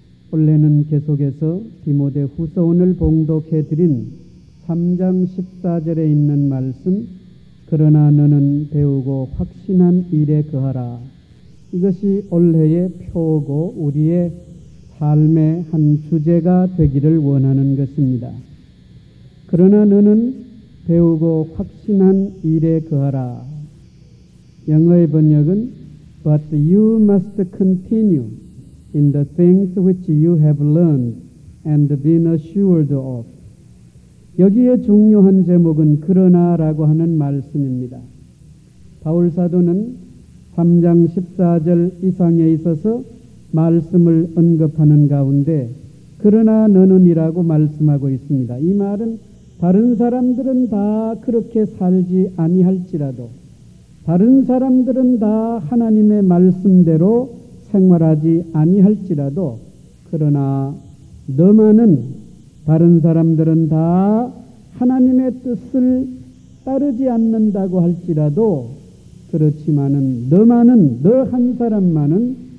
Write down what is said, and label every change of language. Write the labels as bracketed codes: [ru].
[ko] 원래는 계속해서 디모데 후서 오늘 봉독해 드린 3장 14절에 있는 말씀, 그러나 너는 배우고 확신한 일에 거하라. 이것이 올해의 표고 우리의 삶의 한 주제가 되기를 원하는 것입니다. 그러나 너는 배우고 확신한 일에 거하라. 영어의 번역은 [en] But you must continue in the things which you have learned and been assured of. [ko] 여기에 중요한 제목은 그러나라고 하는 말씀입니다. 바울사도는 3장 14절 이상에 있어서 말씀을 언급하는 가운데 그러나 너는이라고 말씀하고 있습니다. 이 말은 다른 사람들은 다 그렇게 살지 아니할지라도 다른 사람들은 다 하나님의 말씀대로 생활하지 아니할지라도 그러나 너만은 다른 사람들은 다 하나님의 뜻을 따르지 않는다고 할지라도 그렇지만은 너만은 너 한 사람만은